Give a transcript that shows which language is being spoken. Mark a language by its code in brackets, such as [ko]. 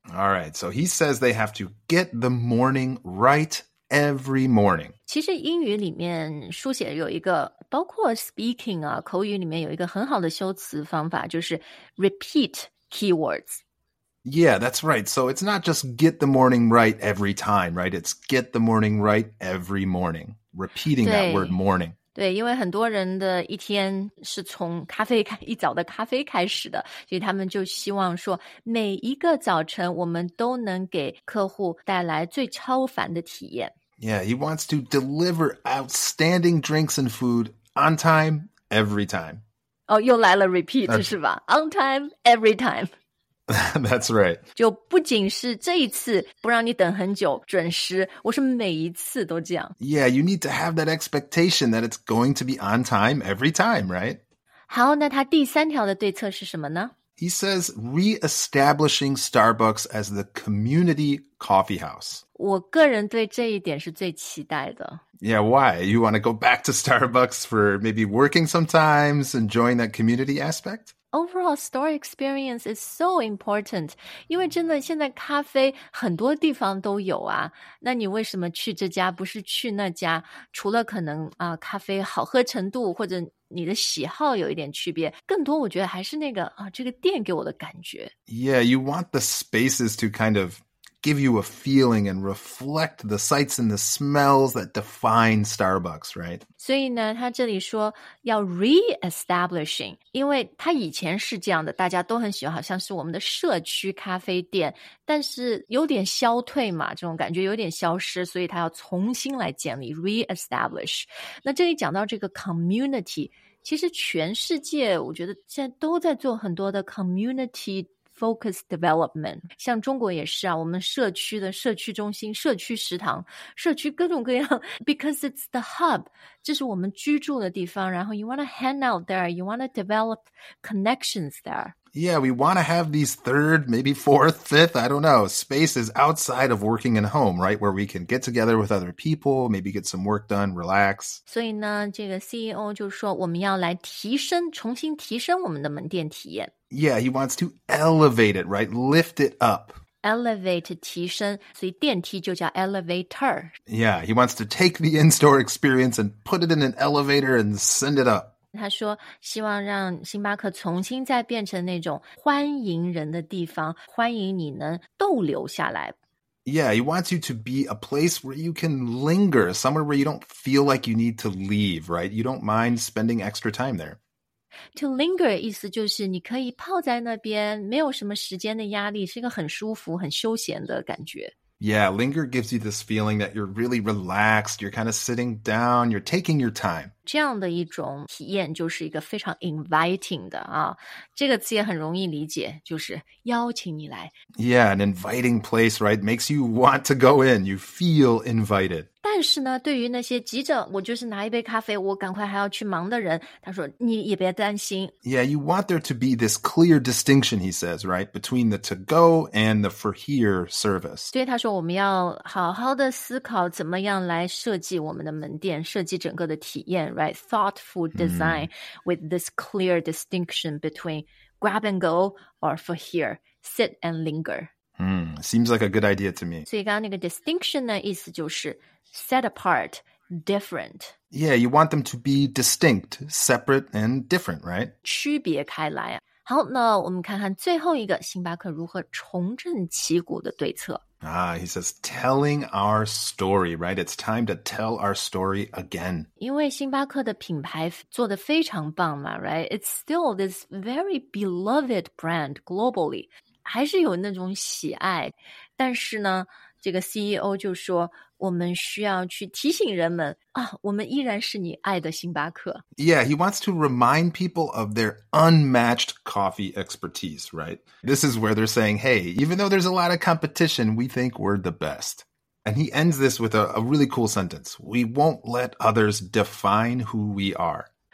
[en] All right, so he says they have to get the morning right every morning. [zh] 其实英语里面书写有一个包括 speaking 啊口语里面有一个很好的修辞方法就是 [en] repeat keywords. Yeah, that's right. So it's not just get the morning right every time, right? It's get the morning right every morning. Repeating that word morning. [zh] 对，因为很多人的一天是从咖啡开一早的咖啡开始的，所以他们就希望说，每一个早晨我们都能给客户带来最超凡的体验。 [en] Yeah, he wants to deliver outstanding drinks and food on time, every time. [zh] 哦，又来了 repeat 是吧 ？ [en] On time, every time. That's right. [zh] 就不仅是这一次不让你等很久准时我是每一次都这样。 [en] Yeah, you need to have that expectation that it's going to be on time every time, right? [zh] 好那他第三条的对策是什么呢 [en] He says re-establishing Starbucks as the community coffee house. [zh] 我个人对这一点是最期待的。 [en] Yeah, why? You want to go back to Starbucks for maybe working sometimes, enjoying that community aspect? Overall store experience is so important. [zh] 因为真的现在咖啡很多地方都有啊。那你为什么去这家不是去那家除了可能啊、咖啡好喝程度或者你的喜好有一点区别更多我觉得还是那个啊、这个店给我的感觉。 [en] Yeah, you want the spaces to kind of give you a feeling and reflect the sights and the smells that define Starbucks, right? [zh] 所以呢，他这里说要 re-establishing， 因为他以前是这样的，大家都很喜欢，好像是我们的社区咖啡店，但是有点消退嘛，这种感觉有点消失，所以他要重新来建立 re-establish。那这里讲到这个 community， 其实全世界我觉得现在都在做很多的 community。 [en] Focus development， [zh] 像中国也是啊，我们社区的社区中心、社区食堂、社区各种各样 ， [en] because it's the hub， [zh] 这是我们居住的地方。然后 [en] you want to hang out there， you want to develop connections there。 Yeah, we want to have these third, maybe fourth, fifth, I don't know, spaces outside of working and home, right? Where we can get together with other people, maybe get some work done, relax. [zh] 所以呢，这个 CEO 就说我们要来提升，重新提升我们的门店体验。 [en] Yeah, he wants to elevate it, right? Lift it up. [zh] Elevate, 提升，所以电梯就叫 elevator. [en] Yeah, he wants to take the in-store experience and put it in an elevator and send it up. [zh] 他说希望让星巴克重新再变成那种欢迎人的地方，欢迎你能逗留下来。 [en] Yeah, he wants you to be a place where you can linger, somewhere where you don't feel like you need to leave, right? You don't mind spending extra time there. To linger [zh] 意思就是你可以泡在那边，没有什么时间的压力，是一个很舒服，很休闲的感觉。 [en] Yeah, linger gives you this feeling that you're really relaxed, you're kind of sitting down, you're taking your time. [zh] 这样的一种体验就是一个非常 inviting 的啊。这个词也很容易理解，就是邀请你来。 [en] Yeah, an inviting place, right? Makes you want to go in, you feel invited. [zh] 但是呢，对于那些急着我就是拿一杯咖啡，我赶快还要去忙的人，他说你也别担心。 [en] Yeah, you want there to be this clear distinction, he says, right? Between the to-go and the for-here service. [zh] 对，他说我们要好好的思考怎么样来设计我们的门店，设计整个的体验。 [en] Right, thoughtful design with this clear distinction between grab and go or for here, sit and linger. Seems like a good idea to me. [zh] 所以刚刚那个 distinction 呢，意思就是 [en] set apart, different. Yeah, you want them to be distinct, separate and different, right? [zh] 区别开来。好，那我们看看最后一个星巴克如何重振旗鼓的对策。 [en] Ah, he says, telling our story, right? It's time to tell our story again. [zh] 因为星巴克的品牌做得非常棒嘛, [en] right? It's still this very beloved brand globally. [zh] 还是有那种喜爱。但是呢,这个 CEO 就说,我们需要去提醒人们,啊,我们依然是你爱的星巴克。 [en] Yeah, he wants to remind people of their unmatched coffee expertise, right? This is where they're saying, hey, even though there's a lot of competition, we think we're the best. And he ends this with a really cool sentence. We won't let others define who we are.